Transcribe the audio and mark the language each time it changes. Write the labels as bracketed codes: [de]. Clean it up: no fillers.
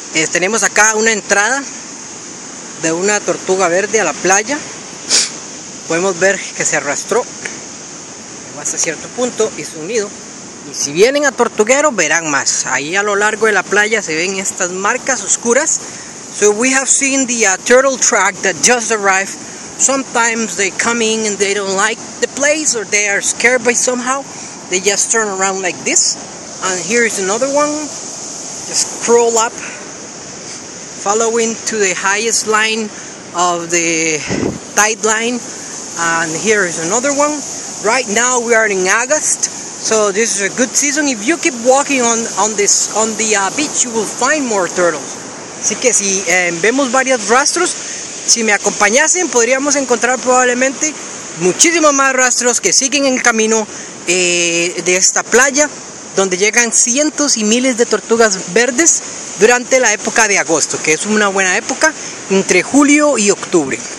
[es] Tenemos acá una entrada de una tortuga verde a la playa. Podemos ver que se arrastró, llegó hasta cierto punto, hizo un nido. Y si vienen a Tortuguero, verán más. Ahí a lo largo de la playa se ven estas marcas oscuras. [en] So we have seen the turtle track that just arrived. Sometimes they come in and they don't like the place or they are scared by somehow. They just turn around like this. And here is another one, just crawl up, following to the highest line of the tide line. And here is another one. Right now we are in August, so this is a good season. If you keep walking on the beach, you will find more turtles. [es] Así que si vemos varios rastros, si me acompañasen, podríamos encontrar probablemente muchísimos más rastros que siguen en el camino de esta playa, donde llegan cientos y miles de tortugas verdes durante la época de agosto, que es una buena época, entre julio y octubre.